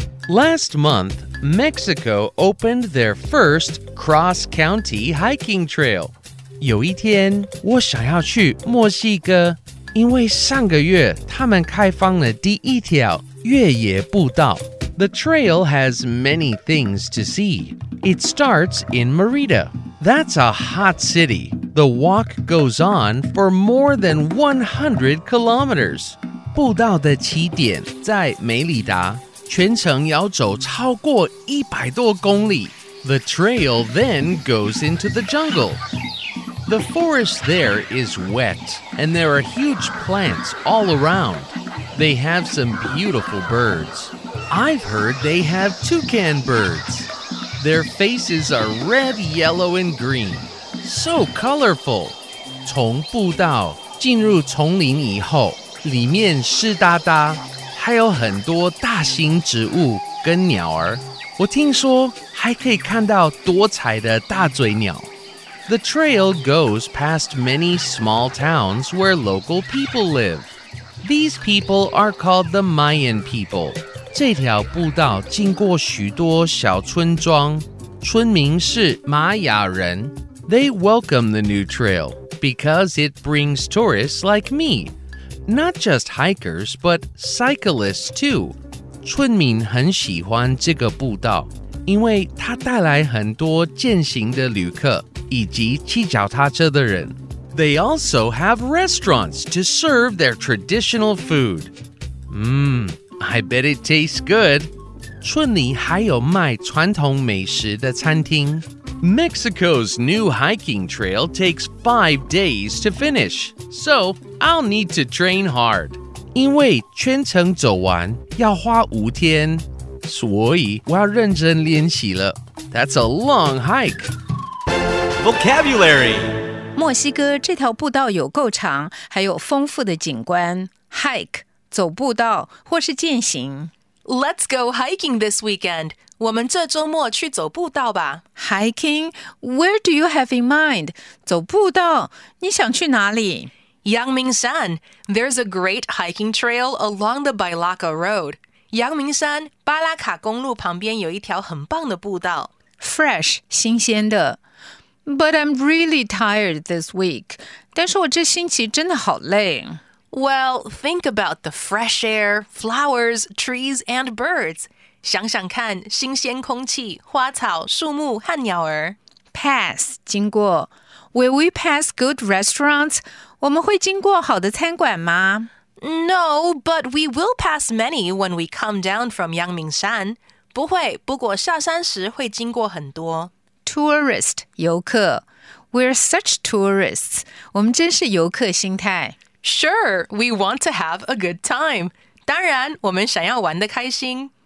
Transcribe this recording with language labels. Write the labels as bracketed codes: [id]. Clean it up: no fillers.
[en] Last month, Mexico opened their first cross-county hiking trail. [zh] 有一天，我想要去墨西哥，因为上个月他们开放了第一条越野步道。 [en] The trail has many things to see. It starts in Merida. That's a hot city. The walk goes on for more than 100 kilometers. [zh] 步道的起点在梅里达。全程要走超过100多公里。 [en] The trail then goes into the jungle. The forest there is wet, and there are huge plants all around. They have some beautiful birds. I've heard they have toucan birds. Their faces are red, yellow, and green. So colorful. [zh] 从步道进入丛林以后，里面湿哒哒。还有很多大型植物跟鸟儿，我听说还可以看到多彩的大嘴鸟。 [en] The trail goes past many small towns where local people live. These people are called the Mayan people. [zh] 这条步道经过许多小村庄，村民是玛雅人。 [en] They welcome the new trail because it brings tourists like me. Not just hikers, but cyclists too. [zh] 村民很喜欢这个步道，因为它带来很多健行的旅客以及骑脚踏车的人。 [en] They also have restaurants to serve their traditional food. I bet it tastes good. [zh] 村里还有卖传统美食的餐厅。 [en] Mexico's new hiking trail takes 5 days to finish, so I'll need to train hard. [zh] 因为全程走完要花5天，所以我要认真练习了。 [en] That's a long hike. Vocabulary. [zh] 墨西哥这条步道有够长，还有丰富的景观。 Hike, 走步道或是健行。 [en] Let's go hiking this weekend. [zh] 我们这周末去走步道吧。 [en] Hiking? Where do you have in mind? [zh] 走步道，你想去哪里？ [en] Yangming San. There's a great hiking trail along the Bailaca Road. [zh] Yangming San, 巴拉卡公路旁边有一条很棒的步道。 [en] Fresh, 新鲜的。But I'm really tired this week. [zh] 但是我这星期真的好累。 [en] Well, think about the fresh air, flowers, trees, and birds. [zh] 想想看，新鲜空气、花草、树木和鸟儿。 [en] Pass, 经过。Will we pass good restaurants? [zh] 我们会经过好的餐馆吗？ [en] No, but we will pass many when we come down from Yangming San. [zh] 不会，不过下山时会经过很多。 [en] Tourist, 游客。We're such tourists. [zh] 我们真是游客心态。 [en] Sure, we want to have a good time. [zh] 当然，我们想要玩得开心。